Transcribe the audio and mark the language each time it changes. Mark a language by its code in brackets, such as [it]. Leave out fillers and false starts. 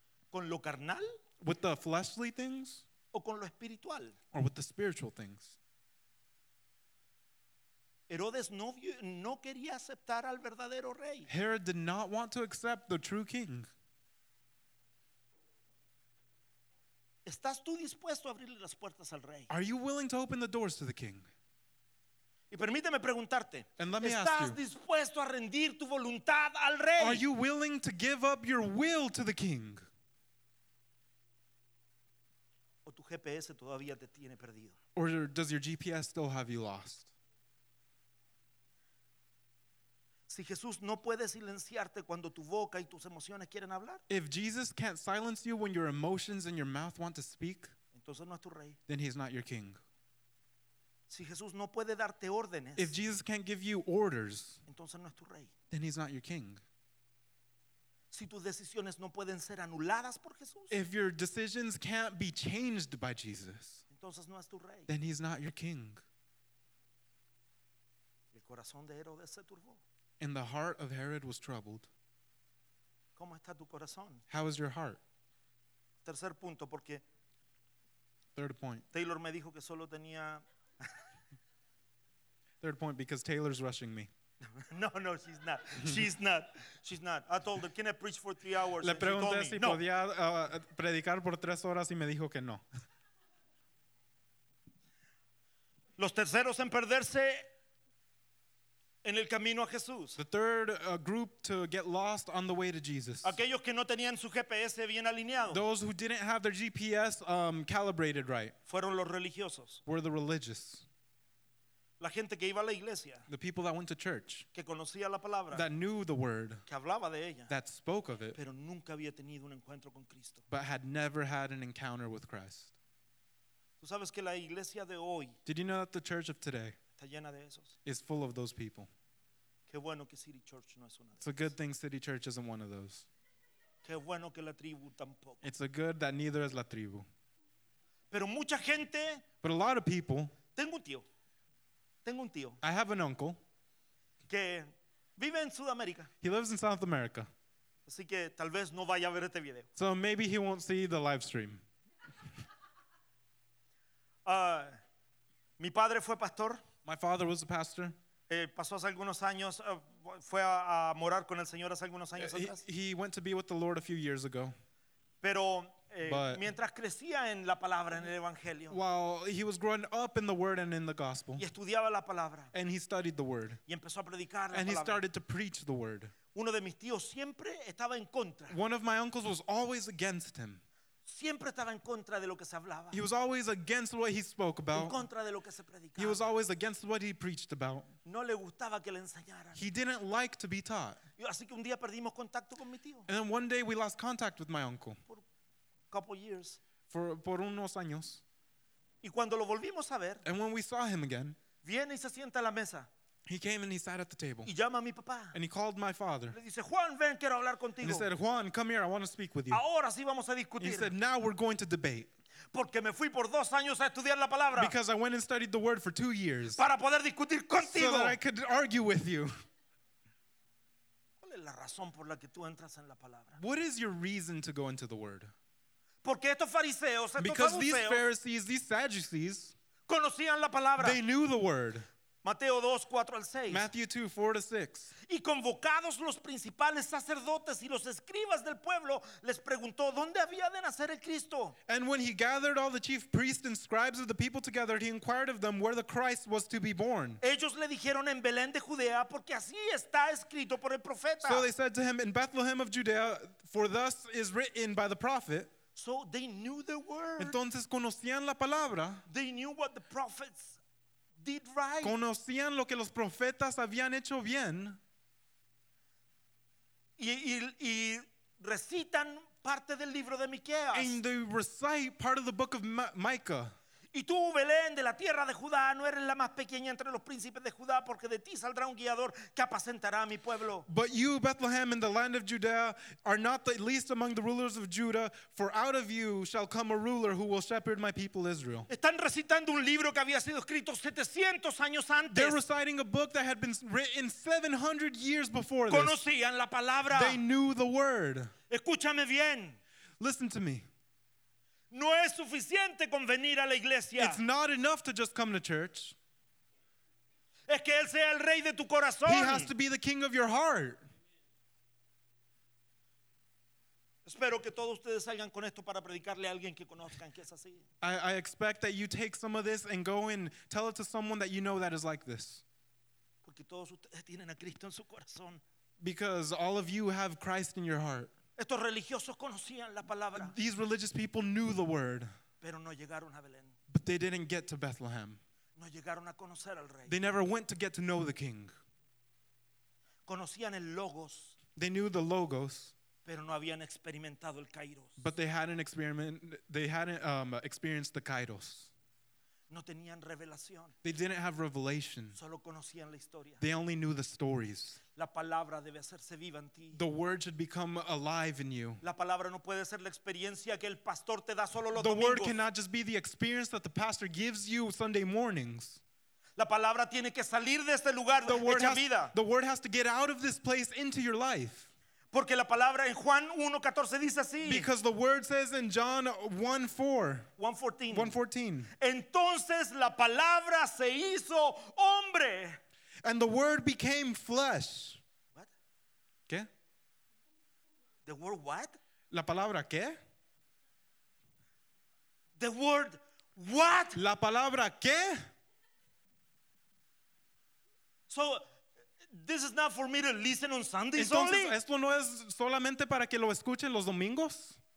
[es] ¿Con lo carnal? [en] With the fleshly things? [es] ¿O con lo espiritual? [en] Or with the spiritual things? [es] Herodes no quería aceptar al verdadero rey. [en] Herod did not want to accept the true king. [es] ¿Estás tú dispuesto a abrirle las puertas al rey? [en] Are you willing to open the doors to the king? [es] Y permíteme preguntarte, ¿estás dispuesto a rendir tu voluntad al rey? [en] Are you willing to give up your will to the king? [es] ¿O tu GPS todavía te tiene perdido? [en] Or does your GPS still have you lost? [es] Si Jesús no puede silenciarte cuando tu boca y tus emociones quieren hablar, [en] if Jesus can't silence you when your emotions and your mouth want to speak, [es] entonces no es tu rey. [en] Then he's not your king. [es] Si Jesús no puede darte órdenes, [en] if Jesus can't give you orders, [es] entonces no es tu rey. [en] Then he's not your king. [es] Si tus decisiones no pueden ser anuladas por Jesús, [en] if your decisions can't be changed by Jesus, [es] entonces no es tu rey. [en] Then he's not your king. [es] El corazón de Herodes se turbó. [en] And the heart of Herod was troubled. [es] ¿Cómo está tu corazón? [en] How is your heart? [es] Tercer punto, porque [en] third point. [es] Taylor me dijo que solo tenía [en] third point, because Taylor's rushing me. No, she's not. She's not. I told her, can I preach for 3 hours? [es] Le pregunté si podía predicar por 3 horas y me dijo que no. Los terceros en perderse en el camino a Jesús. [en] The third group to get lost on the way to Jesus. [es] Aquellos que no tenían su GPS bien alineado. [en] Those who didn't have their GPS calibrated right. [es] Fueron los religiosos. [en] Were the religious. [es] La gente que iba a la iglesia. [en] The people that went to church. [es] Que conocía la palabra. [en] That knew the word. [es] Que hablaba de ella. [en] That spoke of it. [es] Pero nunca había tenido un encuentro con Cristo. [en] But had never had an encounter with Christ. [es] ¿Tú sabes que la iglesia de hoy? [en] Did you know that the church of today is full of those people? [es] Qué bueno que City Church no es una de esas. [en] It's a good thing City Church isn't one of those. [es] Qué bueno que la tribu tampoco. [en] It's a good that neither is la tribu. [es] Pero mucha gente. [en] But a lot of people. [es] Tengo un tío. [en] I have an uncle. [es] Que vive en Sudamérica. [en] He lives in South America. [es] Así que tal vez no vaya a ver este video. [en] So maybe he won't see the live stream. [es] Mi padre fue pastor. [en] My father was a pastor. [es] Pasó hace algunos años, fue a morar con el Señor hace algunos años atrás. [en] He went to be with the Lord a few years ago. [es] Pero mientras crecía en la palabra, en el evangelio. [en] While he was growing up in the word and in the gospel. [es] Y estudiaba la palabra. [en] And he studied the word. [es] Y empezó a predicar la palabra. [en] And he started to preach the word. [es] Uno de mis tíos siempre estaba en contra. [en] One of my uncles was always against him. [es] Siempre estaba en contra de lo que se hablaba. [en] He was always against what he spoke about. [es] En contra de lo que se predicaba. [en] He was always against what he preached about. [es] No le gustaba que le enseñaran. [en] He didn't like to be taught. [es] Así que un día perdimos contacto con mi tío. [en] And then one day we lost contact with my uncle. [es] Por [en] couple years. [es] Por unos años. Y cuando lo volvimos a ver. [en] And when we saw him again. [es] Viene y se sienta a la mesa. [en] He came and he sat at the table. [es] Y llama a mi papá. [en] And he called my father. [es] Le dice, Juan, ven, quiero hablar contigo. [en] And he said, Juan, come here, I want to speak with you. [es] Ahora sí vamos a discutir. [en] He said, now we're going to debate. [es] Porque me fui por 2 años a estudiar la palabra. [en] Because I went and studied the word for 2 years. [es] Para poder discutir contigo. [en] So that I could argue with you. [es] ¿Cuál es la razón por la que tú entras en la palabra? [en] What is your reason to go into the word? [es] Porque estos fariseos, estos [en] because [es] fariseos, [en] these Pharisees, these Sadducees, [es] conocían la palabra. [en] They knew the word. [es] Mateo 2, 4 al 6. [en] Matthew 2, 4 to 6. [es] Y convocados los principales sacerdotes y los escribas del pueblo, les preguntó, ¿dónde había de nacer el Cristo? [en] And when he gathered all the chief priests and scribes of the people together, he inquired of them where the Christ was to be born. [es] Ellos le dijeron, en Belén de Judea, porque así está escrito por el profeta. [en] So they said to him, in Bethlehem of Judea, for thus is written by the prophet. So they knew the word. [es] Entonces conocían la palabra. [en] They knew what the prophets did right. [es] Conocían lo que los profetas habían hecho bien. Y recitan parte del libro de Miqueas. [en] And they recite part of the book of Micah. [es] Y tú, Belén, de la tierra de Judá, no eres la más pequeña entre los príncipes de Judá, porque de ti saldrá un guiador que apacentará a mi pueblo. [en] But you, Bethlehem, in the land of Judea, are not the least among the rulers of Judah, for out of you shall come a ruler who will shepherd my people Israel. [es] Están recitando un libro que había sido escrito 700 años antes. [en] They're reciting a book that had been written 700 years before this. [es] Conocían la palabra. [en] They knew the word. [es] Escúchame bien. [en] Listen to me. [es] No es suficiente con venir a la iglesia. [en] It's not enough to just come to church. [es] Es que él sea el rey de tu corazón. [en] He has to be the king of your heart. [es] Espero que todos ustedes salgan con esto para predicarle a alguien que conozcan que es así. [en] I expect that you take some of this and go and tell it to someone that you know that is like this. [es] Porque todos ustedes tienen a Cristo en su corazón. [en] Because all of you have Christ in your heart. [es] Estos religiosos conocían la palabra. [en] These religious people knew the word. [es] Pero no llegaron a Belén. [en] But they didn't get to Bethlehem. [es] No llegaron a conocer al rey. [en] They never went to get to know the king. [es] Conocían el logos. [en] They knew the logos. [es] Pero no habían experimentado el kairos. [en] But they hadn't experienced the kairos. [es] No tenían revelación. [en] They didn't have revelation. [es] Solo conocían la historia. [en] They only knew the stories. [es] La palabra debe hacerse viva en ti. [en] The word should become alive in you. [es] La palabra no puede ser la experiencia que el pastor te da solo los domingos. [en] The word cannot just be the experience that the pastor gives you Sunday mornings. [es] La palabra tiene que salir de este lugar, de esta vida. [en] The word has to get out of this place into your life. [es] Porque la palabra en Juan 1:14 dice así. [en] Because the word says in John [es] 1:14. Entonces la palabra se hizo hombre. [en] And the word became flesh. What? [es] ¿Qué? [en] The word what? [es] La palabra ¿qué? [en] The word what? [es] La palabra ¿qué? [en] So this is not for me to listen on Sundays. [es] Entonces, [en] only. [es] Esto no es solamente para que lo escuchen los domingos.